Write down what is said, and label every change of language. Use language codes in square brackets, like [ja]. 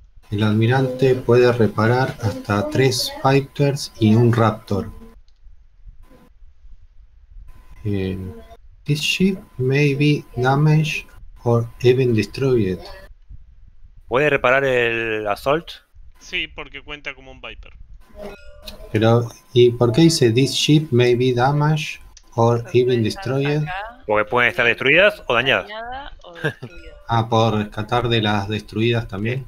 [es] El almirante puede reparar hasta 3 fighters y un raptor. [en] This ship may be damaged or even destroyed. [es] ¿Puede reparar el assault? Sí, porque cuenta como un Viper. Pero, ¿y por qué dice [en] this ship may be damaged or even destroyed? [es] Porque pueden estar destruidas o dañadas. Ah, ¿puedo rescatar de las destruidas también?